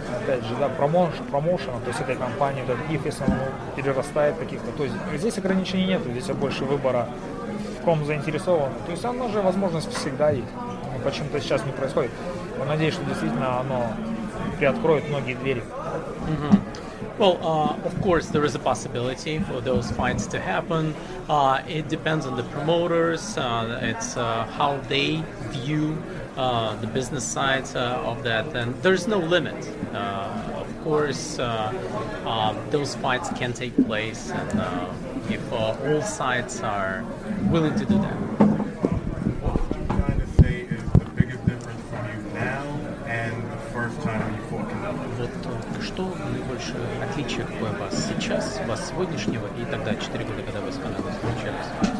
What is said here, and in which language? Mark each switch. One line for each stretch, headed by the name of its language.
Russian: Опять же, да, промоушена, то есть этой компании, да, их, если он перерастает каких-то, то есть здесь ограничений нет, здесь больше выбора, в ком заинтересован. То есть оно же, возможность всегда есть, но почему-то сейчас не происходит. Но надеюсь, что действительно оно приоткроет многие двери. Mm-hmm.
English: Well, of course, there is a possibility for those fights to happen. It depends on the promoters, it's how they view the business side of that, and there's no limit. Of course, those fights can take place, and if all sides are willing to do that. What would you kind of say is the biggest difference from you now and the first time you fought Canelo?
Russian: Вот что наибольшее отличие какое у вас сейчас, у вас сегодняшнего и тогда 4 года, когда вы с Канелло встречались?